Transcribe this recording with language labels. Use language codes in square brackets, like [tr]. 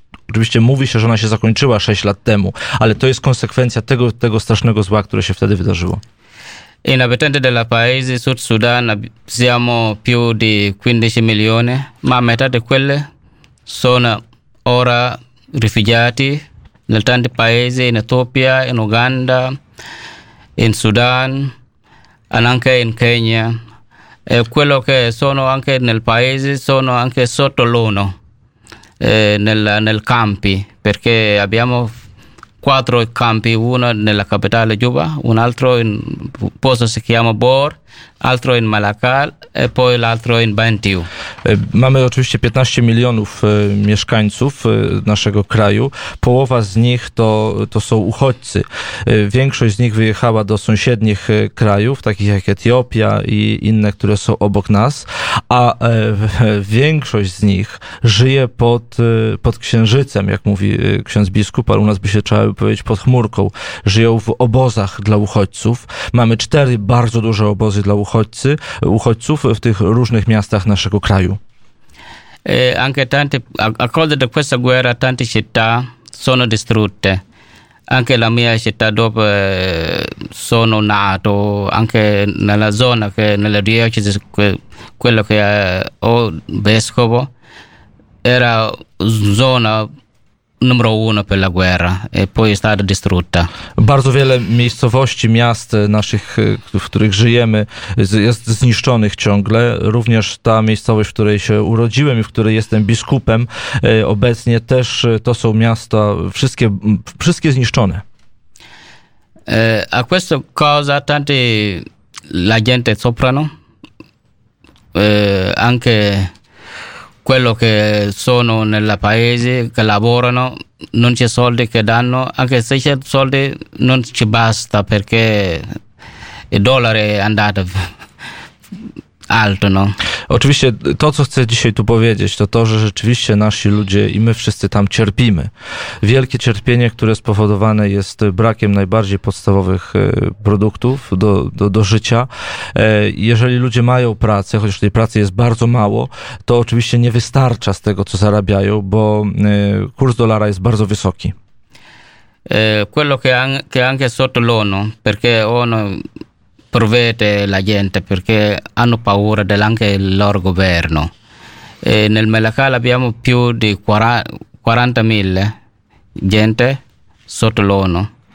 [pl] Oczywiście mówi się, że ona się zakończyła 6 lat temu, ale to jest konsekwencja tego strasznego zła, które się wtedy wydarzyło. [it] In abitanti della paese Sud Sudan siamo più di 15 milioni, ma metà di quelle sono ora rifugiati nel tanti paesi in Etiopia, in Uganda, in Sudan, anche in Kenya. E quello che sono anche nel paese sono anche sotto l'ONU, nel campi, perché abbiamo 4 campi, uno nella capitale Juba, un altro in posto si chiama Bor, altro in Malakal e poi l'altro in Bentiu. [pl] Mamy oczywiście 15 milionów mieszkańców naszego kraju. Połowa z nich to są uchodźcy. Większość z nich wyjechała do sąsiednich krajów, takich jak Etiopia i inne, które są obok nas, a większość z nich żyje pod księżycem, jak mówi ksiądz biskup, ale u nas by się trzeba powiedzieć pod chmurką. Żyją w obozach dla uchodźców. Mamy 4 bardzo duże obozy dla uchodźców w tych różnych miastach naszego kraju. [it] Anche tante, a causa di questa guerra, tante città sono distrutte. Anche la mia città dove sono nato, anche nella zona, che nella diocesi, quello che ho vescovo, era zona numero uno per la guerra e poi è stata distrutta. [pl] Bardzo wiele miejscowości, miast naszych, w których żyjemy, jest zniszczonych ciągle. Również ta miejscowość, w której się urodziłem i w której jestem biskupem, obecnie też to są miasta wszystkie zniszczone. [it] A questa cosa tanti la gente soprano, anche quello che sono nella paese, che lavorano, non c'è soldi che danno, anche se c'è soldi non ci basta perché il dollaro è andato alto, no? [pl] Oczywiście to, co chcę dzisiaj tu powiedzieć, to to, że rzeczywiście nasi ludzie i my wszyscy tam cierpimy. Wielkie cierpienie, które spowodowane jest brakiem najbardziej podstawowych produktów do życia. Jeżeli ludzie mają pracę, chociaż tej pracy jest bardzo mało, to oczywiście nie wystarcza z tego, co zarabiają, bo kurs dolara jest bardzo wysoki. [it] Quello che anche sotto l'ONU, perché ONU provvede la gente perché hanno paura anche del loro governo. E nel Malakal abbiamo più di 40.000 gente sotto l'ONU.